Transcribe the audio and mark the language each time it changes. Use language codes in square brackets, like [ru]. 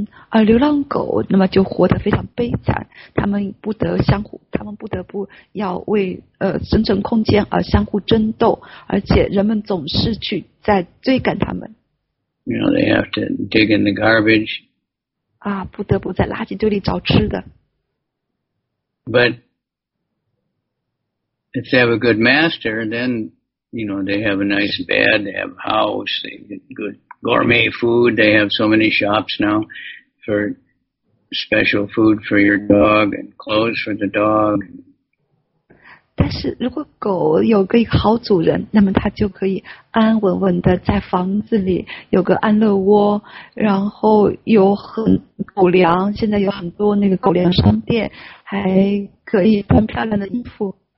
[zh] 而流浪狗那么就活得非常悲惨，他们不得不要为生存空间而相互争斗，而且人们总是去在追赶他们。 [en] You know, they have to dig in the garbage. [zh] 不得不在垃圾堆里找吃的。 [en] But if they have a good master, then, you know, they have a nice bed, they have a house, they get good. Gourmet food, they have so many shops now for special food for your dog and clothes for the dog. [zh] 但是如果狗有个好主人，那么它就可以安安稳稳的在房子里有个安乐窝，然后有很狗粮，现在有很多那个狗粮商店，还可以穿漂亮的衣服。